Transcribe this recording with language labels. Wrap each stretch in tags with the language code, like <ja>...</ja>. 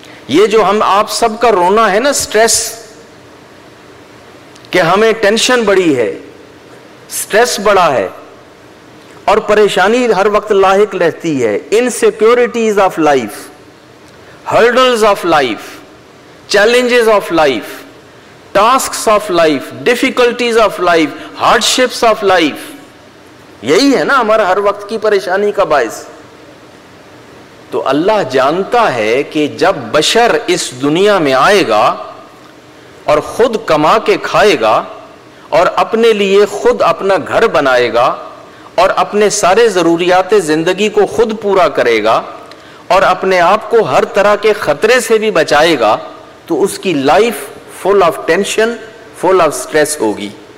<hi>ये जो हम आप सबका रोना है ना स्ट्रेस, कि हमें टेंशन बड़ी है, स्ट्रेस बड़ा है और परेशानी हर वक्त लाहिक रहती है,</hi> <en>Insecurities of life, hurdles of life, challenges of life, tasks of life, difficulties of life, hardships of life.</en> <hi>यही है ना हमारा हर वक्त की परेशानी का बायस. तो अल्लाह जानता है कि जब बशर इस दुनिया में आएगा और खुद कमा के खाएगा और अपने लिए खुद अपना घर बनाएगा और अपने सारे जरूरियात जिंदगी को खुद पूरा करेगा और अपने आप को हर तरह के खतरे से भी बचाएगा, तो उसकी life</hi> <en>full of tension, full of stress</en> <hi>होगी.</hi>